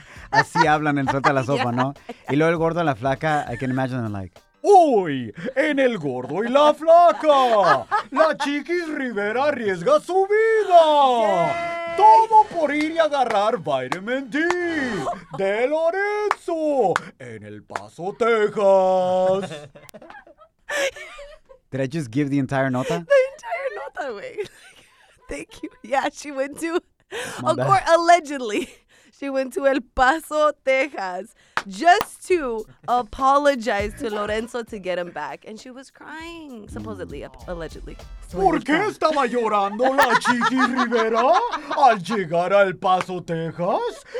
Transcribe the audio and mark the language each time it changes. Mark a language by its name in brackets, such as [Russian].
[Spanish] Así hablan en Suelta la Sopa, ¿no? Y luego el gordo y la flaca, [English] I can imagine them like, [Spanish] ¡hoy en el gordo y la flaca! ¡La Chiquis Rivera arriesga su vida! Yay. ¡Todo por ir y agarrar Vitamin D de Lorenzo en El Paso, Texas! [English] Did I just give the entire nota? The entire nota, wait. Thank you. Yeah, she went to, allegedly, she went to El Paso, Texas, just to apologize to Lorenzo to get him back. And she was crying, supposedly, allegedly. [Spanish] ¿Por qué estaba llorando la Chiqui Rivera al llegar a El Paso, Texas?